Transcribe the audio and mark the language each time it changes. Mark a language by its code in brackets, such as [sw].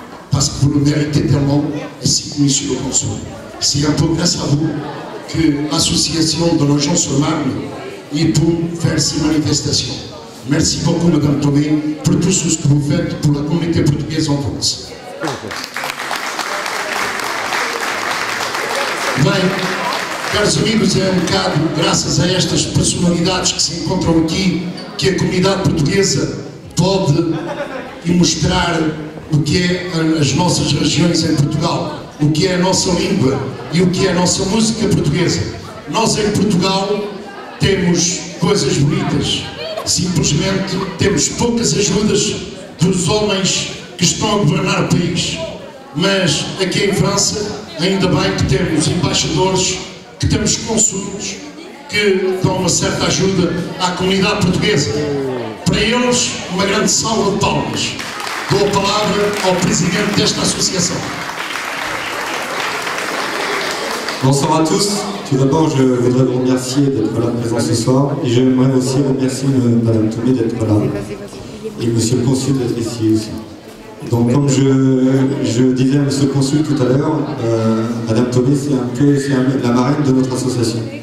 [fr] Parce que vous le méritez tellement, ainsi que Monsieur le Consul. C'est un peu grâce à vous que l'association de Nogent-sur-Marne est pour faire ces manifestations. Merci beaucoup, Madame Tomé, pour tout ce que vous faites pour la communauté portugaise en France. [pt] Bem, caros amigos, é um bocado graças a estas personalidades que se encontram aqui que a comunidade portuguesa pode mostrar o que é as nossas regiões em Portugal, o que é a nossa língua e o que é a nossa música portuguesa. Nós em Portugal temos coisas bonitas, simplesmente temos poucas ajudas dos homens que estão a governar o país. Mas aqui em França, ainda bem que temos embaixadores, que temos consuls, que dão uma certa ajuda à comunidade portuguesa. Para eles, uma grande salva de palmas. Dou a palavra ao Presidente desta Associação. [fr] Bonsoir à tous. Tout d'abord, je voudrais vous remercier d'être là présent ce soir. Et j'aimerais aussi remercier Madame Tomé d'être là. Et Monsieur le Consul d'être ici aussi. Donc, comme je disais à Monsieur le Consul tout à l'heure, Madame Tomé, c'est la marraine de notre association.